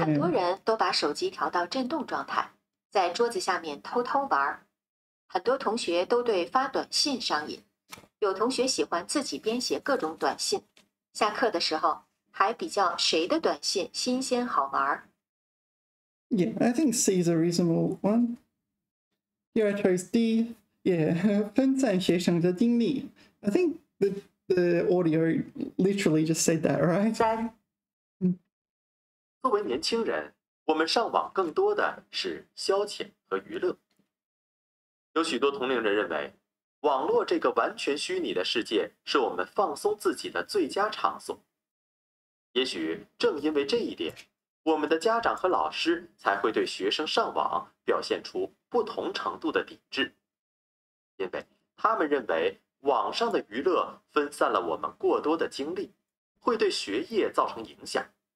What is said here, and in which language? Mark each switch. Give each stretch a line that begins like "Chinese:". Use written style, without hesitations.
Chinese: 很多人都把手机调到震动状态，在桌子下面偷偷玩。很多同学都对发短信上瘾，有同学喜欢自己编写各种短信，下课的时候还比较谁的短信新鲜好玩。
English: Yeah, I think C is a reasonable one. Here I chose D. Yeah,
Chinese: 分散学生的精力。
English: I think the audio literally just said that, right?
Chinese: 三。作为年轻人，我们上网更多的是消遣和娱乐。有许多同龄人认为，网络这个完全虚拟的世界是我们放松自己的最佳场所。也许正因为这一点，我们的家长和老师才会对学生上网表现出不同程度的抵制，因为他们认为网上的娱乐分散了我们过多的精力，会对学业造成影响。